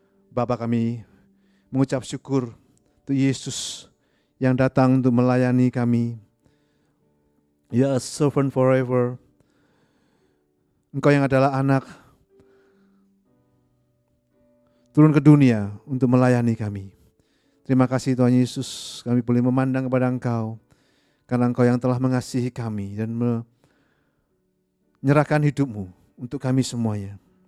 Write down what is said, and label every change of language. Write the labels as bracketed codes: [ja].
[id] Bapa kami mengucap syukur untuk Yesus yang datang untuk melayani kami. [en] You are a servant forever. [id] Engkau yang adalah anak turun ke dunia untuk melayani kami. Terima kasih Tuhan Yesus, kami boleh memandang kepada Engkau, karena Engkau yang telah mengasihi kami dan menyerahkan hidup-Mu untuk kami semuanya.